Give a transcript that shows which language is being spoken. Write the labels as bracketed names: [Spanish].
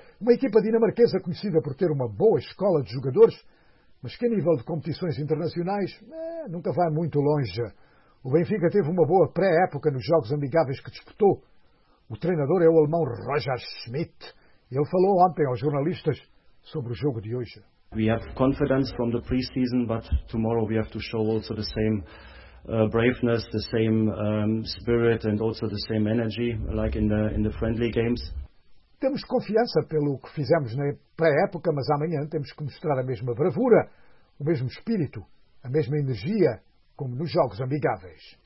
[Portuguese] Uma equipa dinamarquesa conhecida por ter uma boa escola de jogadores, mas que a nível de competições internacionais nunca vai muito longe. O Benfica teve uma boa pré-época nos jogos amigáveis que disputou. O treinador é o alemão Roger Schmidt. Ele falou ontem aos jornalistas sobre o jogo de hoje. [English] We have confidence from the pre-season, but tomorrow we have to show also the same braveness, the same spirit and also the same energy like in the friendly games. [Portuguese] Temos confiança pelo que fizemos na pré-época, mas amanhã temos que mostrar a mesma bravura, o mesmo espírito, a mesma energia, como nos jogos amigáveis.